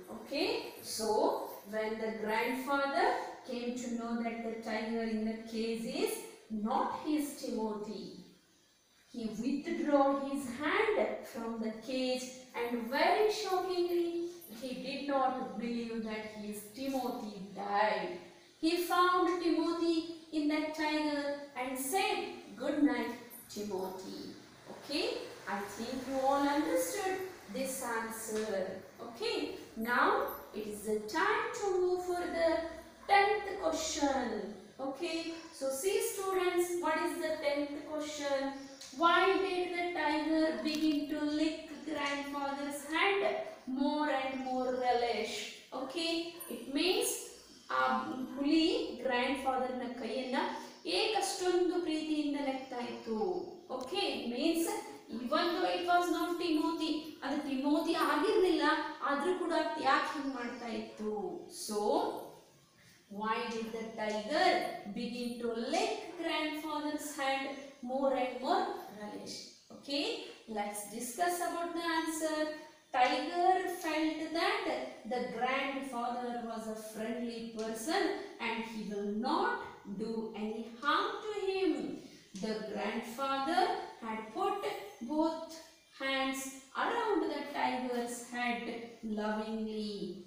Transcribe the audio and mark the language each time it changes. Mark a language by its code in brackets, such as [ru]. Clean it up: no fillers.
[en] Okay, so when the grandfather came to know that the tiger in the case is not his Timothy, he withdraw his hand from the cage and very shockingly he did not believe that his Timothy died. He found Timothy in that tiger and said good night Timothy. Okay, I think you all understood this answer. Okay, now it is the time to move for the 10th question. Okay, so see students, what is the 10th question? Why did the tiger begin to lick grandfather's hand more and more relish? [kn] Okay, it means ಹುಲಿ ಗ್ರ್ಯಾಂಡ್ಫಾದರ್ನ ಕೈಯನ್ನ ಏಕಷ್ಟೊಂದು ಪ್ರೀತಿಯಿಂದ ಲೆಕ್ತಾ ಇತ್ತು. Okay, means even though it was not Timothy, ಅದು Timothy ಆಗಿರ್ಲಿಲ್ಲ, ಆದ್ರೂ ಕೂಡ ಯಾಕೆ ಹಿಂಗ್ ಮಾಡ್ತಾ ಇತ್ತು. [en] So why did the tiger begin to lick grandfather's hand more and more relish? Okay, let's discuss about the answer. Tiger felt the grandfather was a friendly person and he will not do any harm to him. The grandfather had put both hands around the tiger's head lovingly.